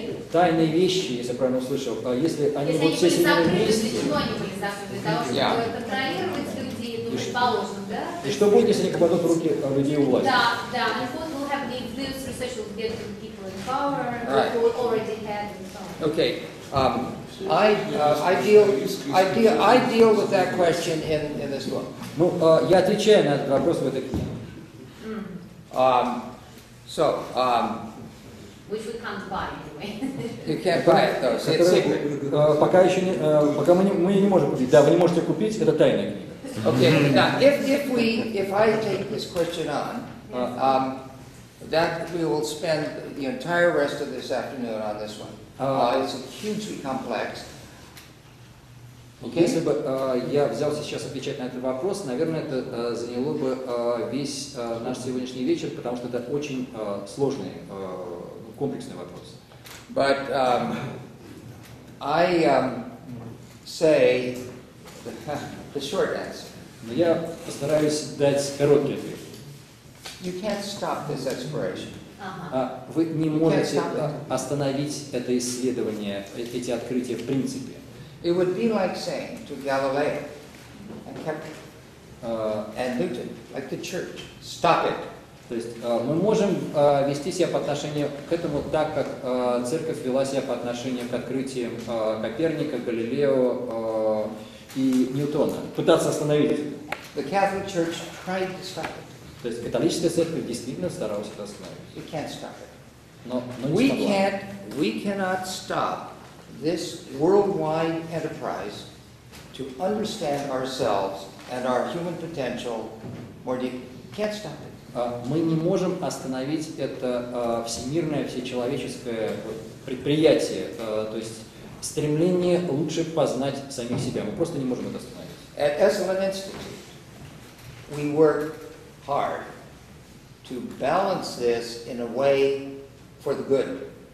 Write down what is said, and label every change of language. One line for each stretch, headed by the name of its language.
Russian: Тайные вещи, если я правильно услышал, если они будут все соединены вместе, чтобы контролировать людей, ну, предположим, да? И что будет, если они попадут в руки людей у власти? Да, да.
English: And what will happen if this research will get to the people in power, who already have and so on? Okay. I deal with that question in this book.
Russian: Ну, я отвечаю на этот вопрос в этой книге.
English: Which we can't buy anyway. You can't buy it though. So it's secret.
Russian: Пока мы не можем купить. Да, вы не можете купить, это тайная книга.
English: Okay. Now, if I take this question on, that we will spend the entire rest of this afternoon on this one. It's hugely complex. Okay.
Russian: Если бы я взялся сейчас отвечать на этот вопрос, наверное, это заняло бы весь наш сегодняшний вечер, потому что это очень сложный, комплексный вопрос.
English: But I say the short answer.
Russian: Но я постараюсь дать короткий ответ.
English: You can't stop this exploration.
Russian: Вы не можете остановить это исследование, эти открытия в принципе.
English: It would be like saying to Galileo and Kepler and Newton, like the church, stop it.
Russian: То есть мы можем вести себя по отношению к этому так, как церковь вела себя по отношению к открытиям Коперника, Галилео и Ньютона. Пытаться остановить.
English: The Catholic Church tried to stop it.
Russian: То есть католическая церковь действительно старалась это остановить.
English: We can't stop it.
Russian: Но
English: we can't, we cannot stop this worldwide enterprise to understand ourselves and our human potential more deeply. Can't stop it.
Russian: Мы не можем остановить это всемирное, всечеловеческое предприятие, то есть стремление лучше познать самих себя. Мы просто не можем это остановить.
English: At Esalen Institute, we work hard to balance this in a way for the good.